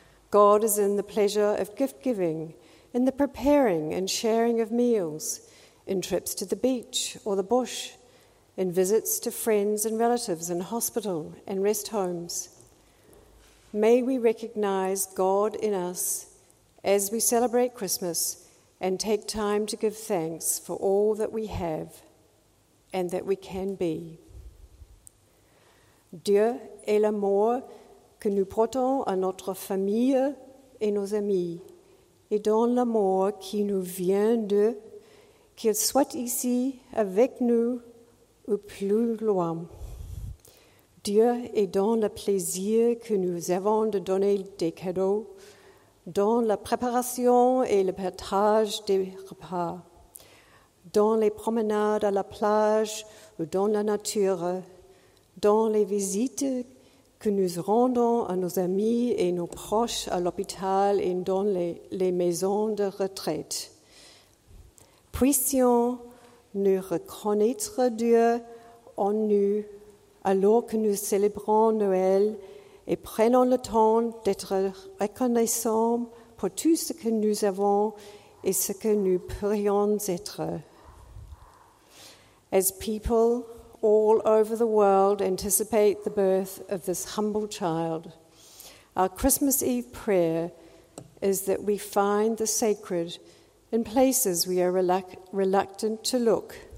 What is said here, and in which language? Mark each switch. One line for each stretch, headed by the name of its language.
English: God is in the pleasure of gift-giving, in the preparing and sharing of meals, in trips to the beach or the bush, in visits to friends and relatives in hospital and rest homes. May we recognize God in us as we celebrate Christmas and take time to give thanks for all that we have and that we can be.
French: Dieu est l'amour que nous portons à notre famille et nos amis, et dans l'amour qui nous vient de, qu'il soit ici avec nous ou plus loin. Dieu est dans le plaisir que nous avons de donner des cadeaux, dans la préparation et le partage des repas, dans les promenades à la plage ou dans la nature, dans les visites que nous rendons à nos amis et nos proches à l'hôpital et dans les maisons de retraite. Puissions-nous reconnaître Dieu en nous alors que nous célébrons Noël et prenons le temps d'être reconnaissants pour tout ce que nous avons et ce que nous pourrions être.
English: As people all over the world anticipate the birth of this humble child, our Christmas Eve prayer is that we find the sacred in places we are reluctant to look,